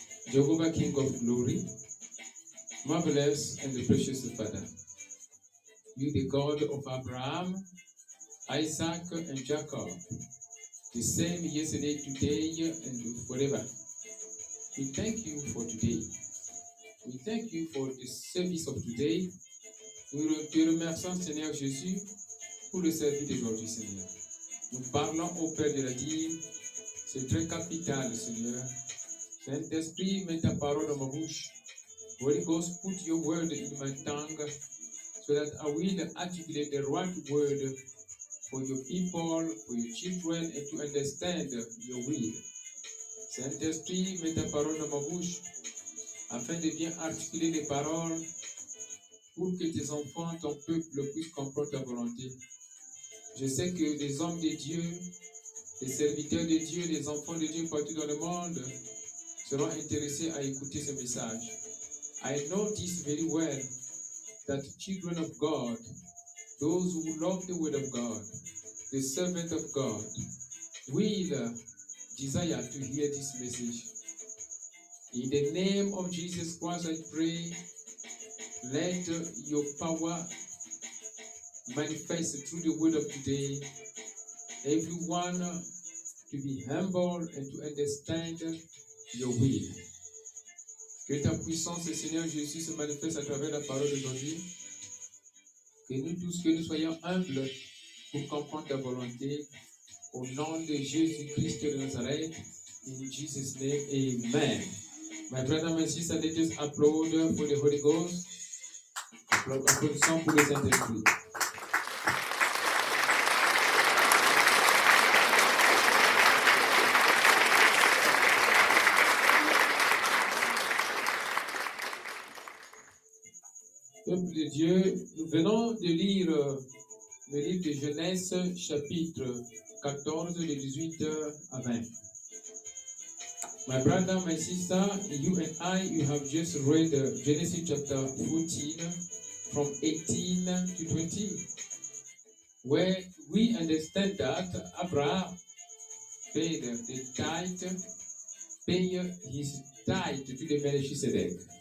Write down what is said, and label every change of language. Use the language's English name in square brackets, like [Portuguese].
[English] Jehovah, King of Glory, marvelous and the precious Father, you the God of Abraham, Isaac and Jacob, the same yesterday, today, and forever. We thank you for today. We thank you for the service of today. [French] Nous te remercions, Seigneur Jésus, pour le service d'aujourd'hui, Seigneur. Nous parlons au Père de la Dîme. C'est très capital, Seigneur. Saint-Esprit, mets ta parole dans ma bouche. [English] Holy Ghost, put your word in my tongue so that I will articulate the right word for your people, for your children, and to understand your will. [French] Saint-Esprit, mets ta parole dans ma bouche afin de bien articuler les paroles pour que tes enfants, ton peuple, puissent comprendre ta volonté. Je sais que les hommes de Dieu, les serviteurs de Dieu, les enfants de Dieu partout dans le monde seront intéressés à écouter ce message. [English] I know this very well, that children of God those who love the word of God, the servant of God, will desire to hear this message. In the name of Jesus Christ, I pray, let your power manifest through the word of today, everyone to be humble and to understand your will. [French] Que ta puissance, Seigneur Jésus, se manifeste à travers la parole d'aujourd'hui. Que nous tous, que nous soyons humbles pour comprendre ta volonté. Au nom de Jésus-Christ de Nazareth, [English] in Jesus' name, Amen. My brother, my sister, let us applaud for the Holy Ghost. [French] Applaudissons pour les intérêts. Peuple de Dieu, nous venons de lire le livre de Genèse, chapitre 14, de 18 à 20. [English] My brother, my sister, you and I, you have just read Genesis chapter 14, from 18 to 20, where we understand that Abraham paid the tithe, paid his tithe to the Melchizedek.